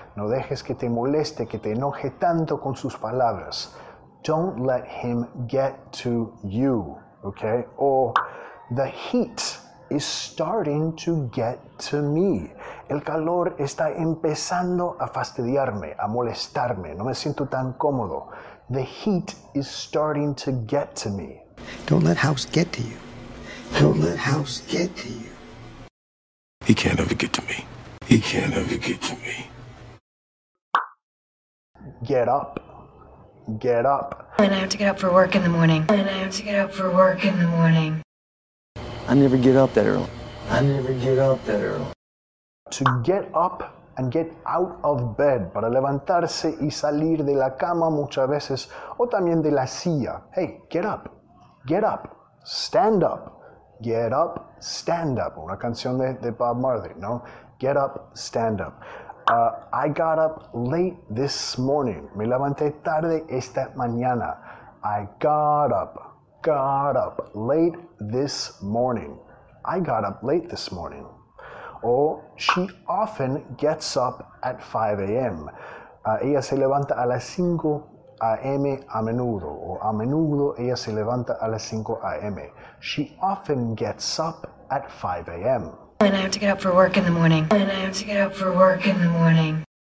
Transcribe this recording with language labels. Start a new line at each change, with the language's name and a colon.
Spanish: No dejes que te moleste, que te enoje tanto con sus palabras.
English: Don't let him get to you. Okay, or the heat is starting to get to me.
Spanish: El calor está empezando a fastidiarme, a molestarme. No me siento tan cómodo.
English: The heat is starting to get to me. Don't let house get to you. Don't let house get to you. He can't ever get to me. He can't ever get to me. Get up. Get up. And I have to get up for work in the morning. And I have to get up for work in the morning. I never get up that early. I never get up that early. To get up and get out of bed.
Spanish: Para levantarse y salir de la cama muchas veces. O también de la silla.
English: Hey, get up. Get up. Stand up. Get up. Stand up.
Spanish: Una canción de Bob Marley, ¿no?
English: Get up. Stand up. I got up late this morning.
Spanish: Me levanté tarde esta mañana.
English: I got up late this morning. I got up late this morning. Or she often gets up at 5 a.m.
Spanish: Ella se levanta a las 5 a.m. a menudo. O a menudo ella se levanta a las 5 a.m.
English: She often gets up at 5 a.m. And I have to get up for work in the morning. And I have to get up for work in the morning.